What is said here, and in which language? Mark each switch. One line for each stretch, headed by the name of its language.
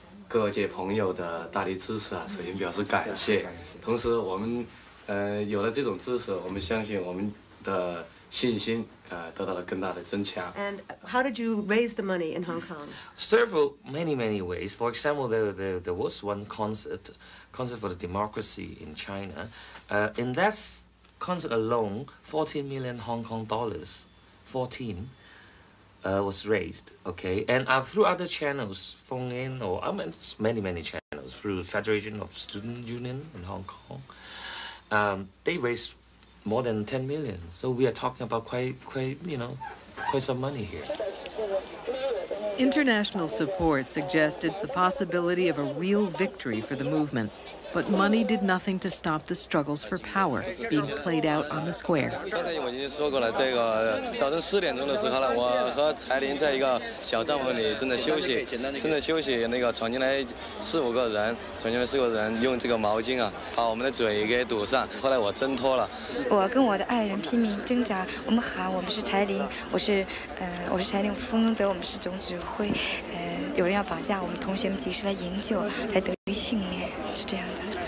Chinese: 各界朋友的大力支持啊，首先表示感谢。同时，我们有了这种支持，我们相信我们的信心得到了更大的增强。
English: And how did you raise the money in Hong Kong? Several many ways. For example, there was one concert for the democracy in China. In that concert alone, 14 million Hong Kong dollars, 14. Was raised, okay, and through other channels, phone in or I mean many channels through Federation of Student Union in Hong Kong, they raised more than 10 million. So we are talking about quite some money here. International support suggested the possibility of a real victory for the movement, but money did nothing to stop the struggles for power being played out on the square.
Chinese: 刚才我已经说过了，这个早晨四点钟的时候呢，我和柴林在一个小帐篷里正在休息，那个闯进来四五个人用这个毛巾啊，把我们的嘴给堵上。后来我挣脱了，我跟我的爱人拼命挣扎，我们喊，我们是柴林，我是柴林丰德，我们是总指挥，有人要绑架我们，同学们及时来营救，才得以幸免，是这样的。